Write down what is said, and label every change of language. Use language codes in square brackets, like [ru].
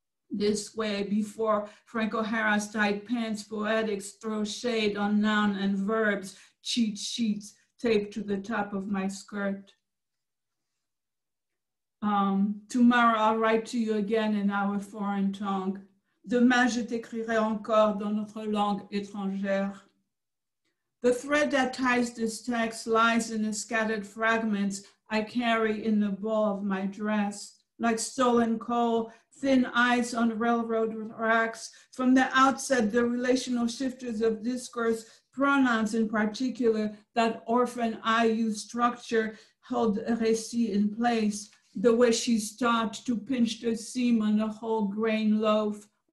[en] This way, before Frank O'Hara's tight pants poetics throw shade on noun and verbs, cheat sheets taped to the top of my skirt. Tomorrow I'll write to you again in our foreign tongue. [fr] Demain je t'écrirai encore dans notre langue étrangère." [en] The thread that ties this text lies in the scattered fragments I carry in the ball of my dress. Like stolen coal, thin ice on railroad racks. From the outset, the relational shifters of discourse, pronouns in particular, that orphan IU structure held récit in place, the way she's taught to pinch the seam on a whole grain loaf.